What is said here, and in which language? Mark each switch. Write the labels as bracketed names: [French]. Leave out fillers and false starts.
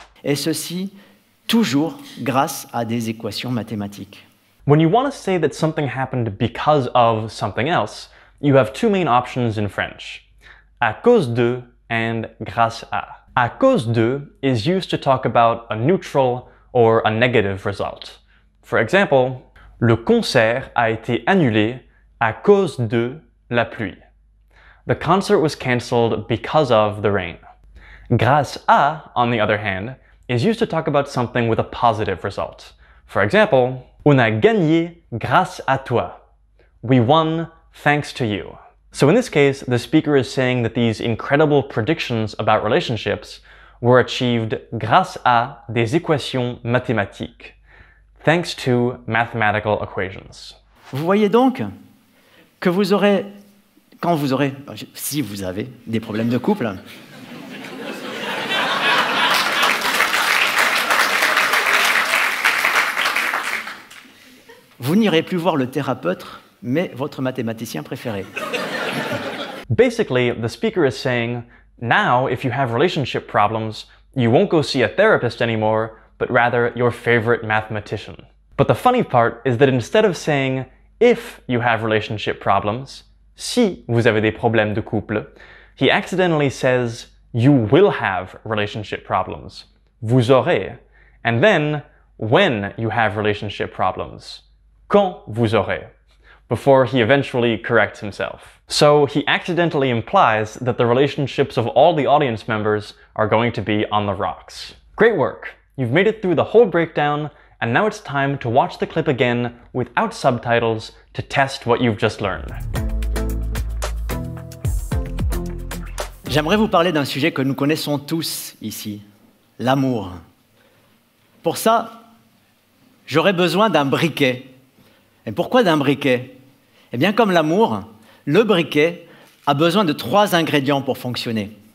[French] Et ceci toujours grâce à des équations mathématiques. [English] When you want to say that something happened because of something else, you have two main options in French, à cause de and grâce à. À cause de is used to talk about a neutral or a negative result. For example, [French] le concert a été annulé à cause de la pluie. [English] The concert was cancelled because of the rain. Grâce à, on the other hand, is used to talk about something with a positive result. For example, [French] on a gagné grâce à toi. [English] We won thanks to you. So in this case, the speaker is saying that these incredible predictions about relationships were achieved [French] grâce à des équations mathématiques. [English] Thanks to mathematical equations. [French] Vous voyez donc que vous aurez, quand vous aurez, si vous avez des problèmes de couple, vous n'irez plus voir le thérapeute, mais votre mathématicien préféré. [English] Basically, the speaker is saying, now, if you have relationship problems, you won't go see a therapist anymore, but rather your favorite mathematician. But the funny part is that instead of saying, if you have relationship problems, [French] si vous avez des problèmes de couple, [English] he accidentally says, you will have relationship problems, [French] vous aurez, [English] and then, when you have relationship problems, [French] quand vous aurez, [English] before he eventually corrects himself. So he accidentally implies that the relationships of all the audience members are going to be on the rocks. Great work. You've made it through the whole breakdown, and now it's time to watch the clip again without subtitles to test what you've just learned. [French] J'aimerais vous parler d'un sujet que nous connaissons tous ici, l'amour. Pour ça, j'aurais besoin d'un briquet. Et pourquoi d'un briquet? Eh bien, comme l'amour, le briquet a besoin de trois ingrédients pour fonctionner.